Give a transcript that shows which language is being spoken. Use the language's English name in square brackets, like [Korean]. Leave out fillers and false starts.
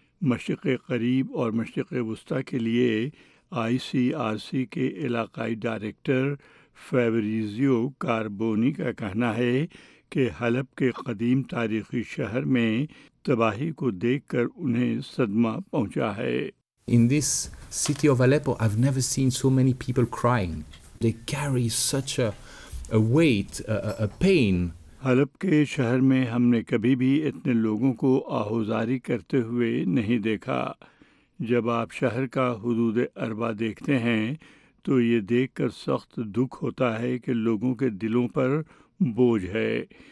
[Urdu] مشرق قریب اور مشرق وسطی کے لیے ICRC کے علاقائی ڈائریکٹر فیبریزیو کاربونی کا کہنا ہے کہ حلب کے قدیم تاریخی شہر میں تباہی کو دیکھ کر انہیں صدمہ پہنچا ہے۔ [English] In this city of Aleppo, I've never seen so many people crying. They carry such a weight, a pain. [Urdu] حلب کے شہر میں ہم نے کبھی بھی اتنے لوگوں کو آہوزاری کرتے ہوئے نہیں دیکھا۔ جب آپ شہر کا حدود اربا دیکھتے ہیں تو یہ دیکھ کر سخت دکھ ہوتا ہے کہ لوگوں کے دلوں پر بوجھ ہے۔